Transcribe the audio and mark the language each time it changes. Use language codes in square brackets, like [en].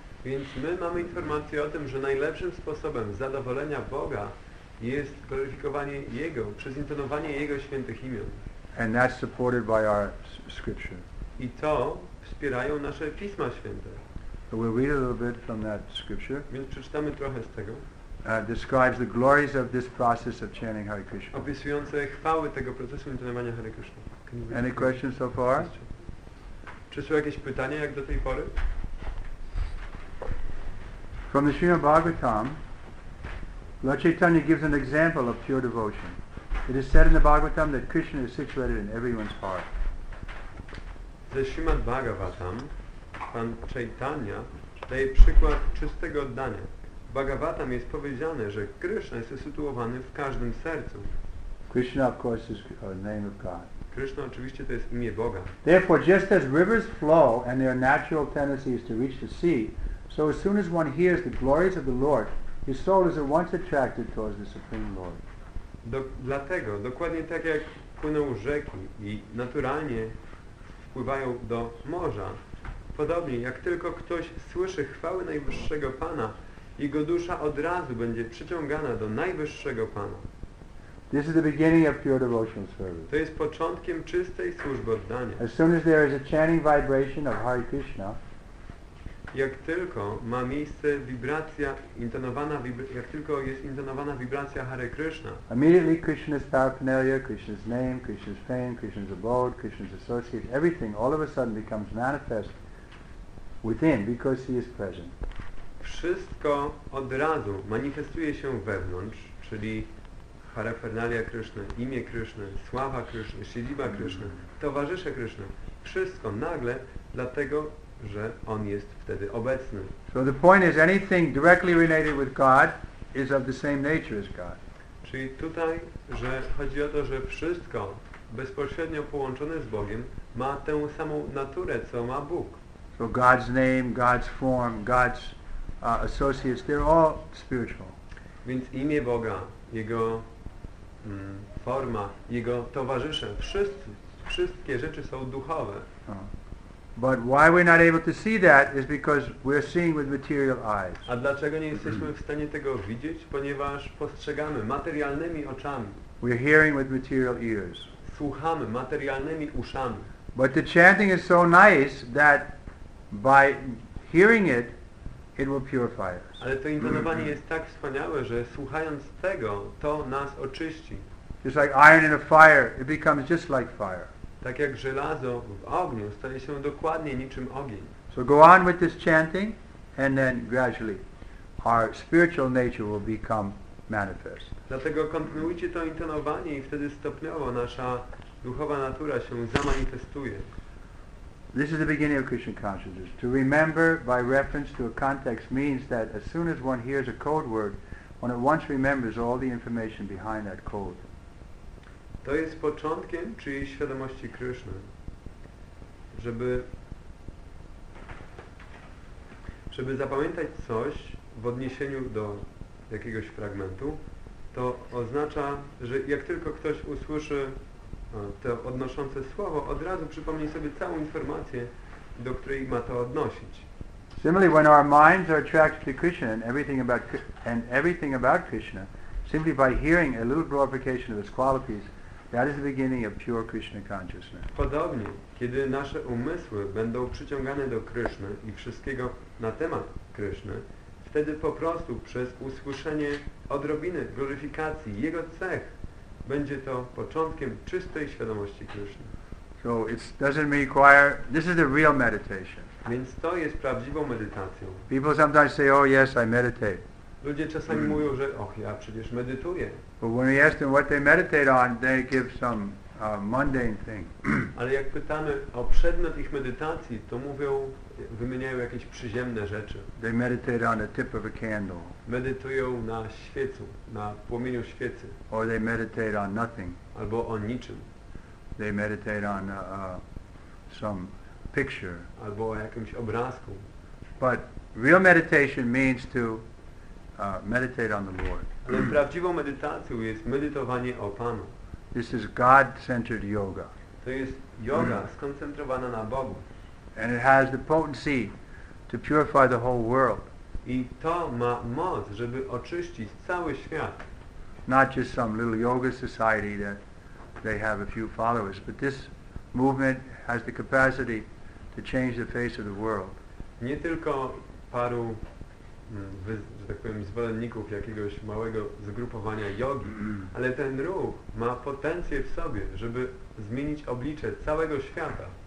[pl] Więc my mamy informację o tym, że najlepszym sposobem zadowolenia Boga jest gloryfikowanie Jego, przez intonowanie Jego świętych imion. [en] And that's supported by our scripture. [pl] I to wspierają nasze Pisma Święte. [en] So we'll read a little bit from that scripture. [pl] Więc przeczytamy trochę z tego. [en] Describes the glories of this process of chanting Hare Krishna. [pl] Opisujące chwały tego procesu intonowania Hare Krishna. [en] Any questions so far? [pl] Czy są jakieś pytania jak do tej pory? [en] From the Srimad Bhagavatam, Lord Chaitanya gives an example of pure devotion. It is said in the Bhagavatam that Krishna is situated in everyone's heart. [pl] The Srimad Bhagavatam, Pan Chaitanya, daje przykład czystego oddania. W Bhagavatam jest powiedziane, że Krishna jest usytuowany w każdym sercu. [en] Krishna, of course, is the name of God. [pl] Krishna oczywiście to jest imię Boga. [en] Therefore, just as rivers flow and their natural tendency is to reach the sea, so as soon as one hears the glories of the Lord, his soul is at once attracted towards the Supreme Lord. [pl] Dlatego, dokładnie tak jak płyną rzeki i naturalnie wpływają do morza, Podobnie, jak tylko ktoś słyszy chwały Najwyższego Pana, jego dusza od razu będzie przyciągana do Najwyższego Pana. [en] This is the beginning of pure devotional service. [pl] To jest początkiem czystej służby oddania. [en] As soon as there is a chanting vibration of Hare Krishna, [pl] jak tylko ma miejsce wibracja intonowana, jak tylko jest intonowana wibracja Hare Krishna, [en] immediately Krishna's paraphernalia, Krishna's name, Krishna's fame, Krishna's abode, Krishna's associates, everything all of a sudden becomes manifest within because he is present. [pl] Wszystko od razu manifestuje się wewnątrz, czyli parafernalia Kryszny, imię Kryszny, sława Kryszny, siedziba Kryszny, towarzysze Kryszny. Wszystko nagle dlatego, że On jest wtedy obecny. [en] So the point is anything directly related with God is of the same nature as God. [pl] Czyli tutaj, że chodzi o to, że wszystko bezpośrednio połączone z Bogiem ma tę samą naturę, co ma Bóg. [en] So God's name, God's form, God's associates, they're all spiritual. [pl] Więc imię Boga, Jego forma, Jego towarzysze, wszystkie rzeczy są duchowe. [en] But why we're not able to see that is because we're seeing with material eyes. [pl] A dlaczego nie jesteśmy w stanie tego widzieć? Ponieważ postrzegamy materialnymi oczami. [en] We're hearing with material ears. [pl] Słuchamy materialnymi uszami. [en] But the chanting is so nice that by hearing it, it will purify us. [pl] Ale to intonowanie jest tak wspaniałe, że słuchając tego, to nas oczyści. [en] Just like iron in a fire, it becomes just like fire. [pl] Tak jak żelazo w ogniu staje się dokładnie niczym ogień. [en] So go on with this chanting, and then gradually our spiritual nature will become manifest. [pl] Dlatego kontynuujcie to intonowanie i wtedy stopniowo nasza duchowa natura się zamanifestuje. [en] This is the beginning of Krishna consciousness. To remember by reference to a context means that as soon as one hears a code word, one at once remembers all the information behind that code. [pl] To jest początkiem czyjejś świadomości Kryszny. Żeby zapamiętać coś w odniesieniu do jakiegoś fragmentu, to oznacza, że jak tylko ktoś usłyszy to odnoszące słowo, od razu przypomnij sobie całą informację, do której ma to odnosić. [en] Similarly, when our minds are attracted to Krishna and everything about Krishna, simply by hearing a little glorification of his qualities, that is the beginning of pure Krishna consciousness. [pl] Podobnie, kiedy nasze umysły będą przyciągane do Kryszny i wszystkiego na temat Kryszny, wtedy po prostu przez usłyszenie odrobiny gloryfikacji jego cech będzie to początkiem czystej świadomości Kryszny. [en] So it doesn't require. This is the real meditation. [pl] Więc to jest prawdziwą medytacją. [en] People sometimes say, "Oh yes, I meditate." [pl] Ludzie czasami mówią, że, "Och, ja przecież medytuję." [en] But when we ask them what they meditate on, they give some mundane thing. [pl] Ale jak pytamy o przedmiot ich medytacji, to mówią, wymieniają jakieś przyziemne rzeczy. [en] They meditate on the tip of a candle. [pl] Medytują na świecu, na płomieniu świecy. [en] Or they meditate on nothing. [pl] Albo o niczym. [en] They meditate on some picture. [pl] Albo o jakimś obrazku. [en] But real meditation means to meditate on the Lord. [pl] Ale prawdziwą medytacją jest medytowanie o Panu. [en] This is God-centered yoga. [pl] To jest yoga skoncentrowana na Bogu. [en] And it has the potency to purify the whole world. [pl] I to ma moc, żeby oczyścić cały świat. [en] Not just some little yoga society that they have a few followers, but this movement has the capacity to change the face of the world. [pl] Nie tylko paru, że tak powiem, zwolenników jakiegoś małego zgrupowania jogi, ale ten ruch ma potencję w sobie, żeby zmienić oblicze całego świata.